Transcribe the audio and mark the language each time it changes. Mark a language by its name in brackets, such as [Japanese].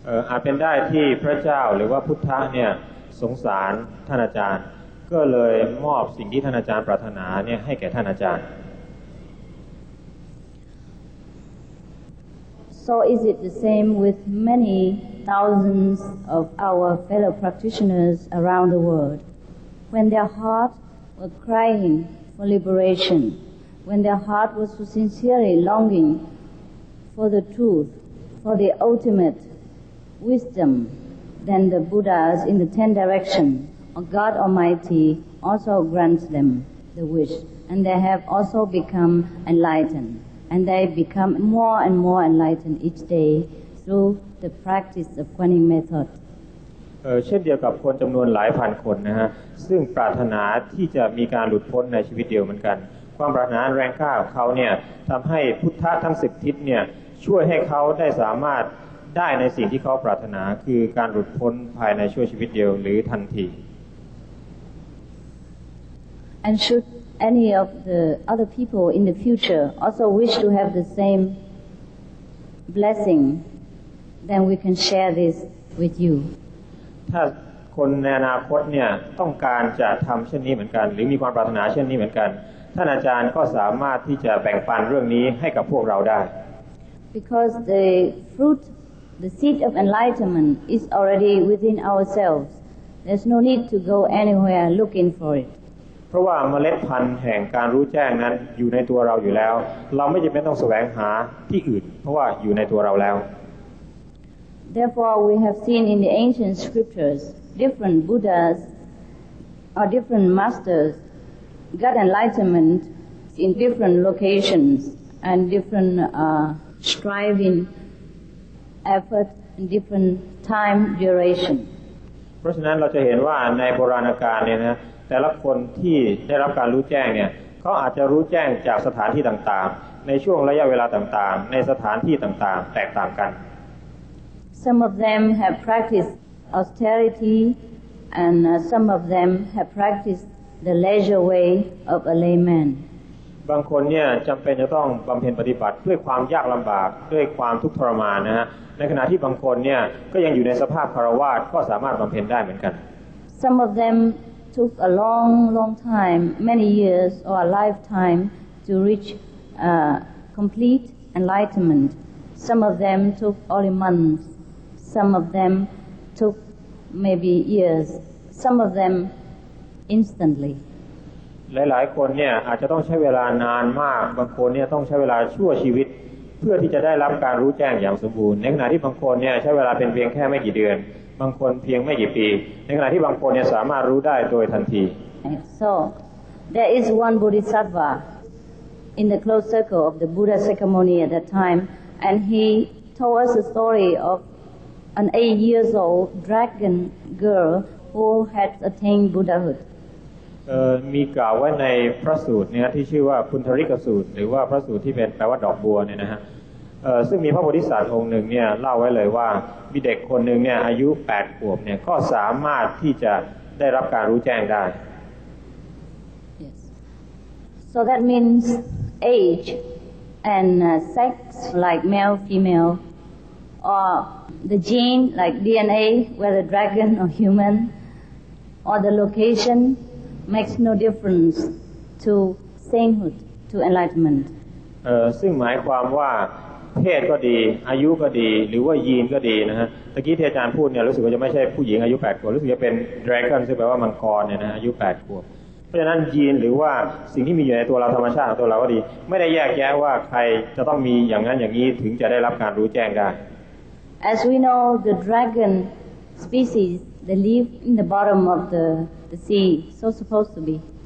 [Thai] อาจเป็นได้ที่พระเจ้าหรือว่าพุทธะเนี่ยสงสารท่านอาจารย์ก็เลยมอบสิ่งที่ท่านอาจารย์ปรารถนาเนี่ยให้แก่ท่านอาจารย์ [English] So is it the same with many thousands of our fellow practitioners around the world? When their heart was crying for liberation, when their heart was so sincerely longing for the truth, for the ultimate wisdom, then the Buddhas in the Ten Directions, or God Almighty, also grants them the wish, and they have also become enlightened. And they become more and more enlightened each day through the practice of Kuan Yin method. [Thai] เช่นเดียวกับคนจำนวนหลายพันคนนะฮะซึ่งปรารถนาที่จะมีการหลุดพ้นในชีวิตเดียวเหมือนกัน ความปรารถนาแรงกล้าของเขาเนี่ยทำให้พุทธะทั้ง10ทิศเนี่ยช่วยให้เขาได้สามารถได้ในสิ่งที่เขาปรารถนาคือการหลุดพ้นภายในชั่วชีวิตเดียวหรือทันที [English] And should any of the other people in the future also wish to have the same blessing then we can share this with you [Thai] ถ้าคนในอนาคตเนี่ยต้องการจะทำเช่นนี้เหมือนกันหรือมีความปรารถนาเช่นนี้เหมือนกันท่านอาจารย์ก็สามารถที่จะแบ่งปันเรื่องนี้ให้กับพวกเราได้ [English] Because the fruit the seed of enlightenment is already within ourselves there's no need to go anywhere looking for it [Thai] เพราะว่าเมล็ดพันธุ์แห่งการรู้แจ้งนั้นอยู่ในตัวเราอยู่แล้วเราไม่จำเป็นต้องแสวงหาที่อื่นเพราะว่าอยู่ในตัวเราแล้ว [English] Therefore we have seen in the ancient scriptures different buddhas or different masters got enlightenment in different locations and different striving effort in different time duration [Thai] เพราะฉะนั้นเราจะเห็นว่าในโบราณกาลเนี่ยนะแต่ละคนที่ได้รับการรู้แจ้งเนี่ยเขาอาจจะรู้แจ้งจากสถานที่ต่างๆในช่วงระยะเวลาต่างๆในสถานที่ต่างๆแตกต่างกัน [English] Some of them have practiced austerity and some of them have practicedThe leisure way of a layman. [Thai] บางคนเนี่ยจำเป็นจะต้องบำเพ็ญปฏิบัติด้วยความยากลำบากด้วยความทุกข์ทรมานนะฮะในขณะที่บางคนเนี่ยก็ยังอยู่ในสภาพคารวะก็สามารถบำเพ็ญได้เหมือนกัน [English] Some of them took a long, long time, many years or a lifetime to reach complete enlightenment. Some of them took only months. Some of them took maybe years. Some of theminstantly [Thai] หลายๆคนเนี่ยอาจจะต้องใช้เวลานานมากบางคนเนี่ยต้องใช้เวลาชั่วชีวิตเพื่อที่จะได้รับการรู้แจ้งอย่างสมบูรณ์ในขณะที่บางคนเนี่ยใช้เวลาเป็นเพียงแค่ไม่กี่เดือนบางคนเพียงไม่กี่ปีในขณะที่บางคนเนี่ยสามารถรู้ได้โดยทันที [English] So there is one bodhisattva in the close circle of the Buddha Sakyamuni at that time and he told us a story of an 8 years old dragon girl who had attained Buddhahood [Thai] มีกล่าวไว้ในพระสูตรนะที่ชื่อว่าพุนทริกสูตรหรือว่าพระสูตรที่เป็นแปลว่าดอกบัวเนี่ยนะฮะซึ่งมีพระโพธิสัตว์องค์นึงเนี่ยเล่าไว้เลยว่ามีเด็กคนนึงเนี่ยอายุ8ขวบเนี่ยก็สามารถที่จะได้รับการรู้แจ้งได้ [English] Yes So that means age and sex like male female or the gene like DNA whether dragon or human or the locationmakes no difference to sainthood to enlightenment [Thai] ซึ่งหมายความว่าเพศก็ดีอายุก็ดีหรือว่ายีนก็ดีนะฮะตะกี้ที่อาจารย์พูดเนี่ยรู้สึกว่าจะไม่ใช่ผู้หญิงอายุ8ขวบรู้สึกจะเป็น dragon ซึ่งแปลว่ามังกรเนี่ยนะอายุ8ขวบเพราะฉะนั้นยีนหรือว่าสิ่งที่มีอยู่ในตัวเราธรรมชาติของตัวเราก็ดีไม่ได้แยกแยะว่าใครจะต้องมีอย่างนั้นอย่างนี้ถึงจะได้รับการรู้แจ้งได้ [English] As we know the dragon speciesThey live in the bottom of the sea, so supposed to be.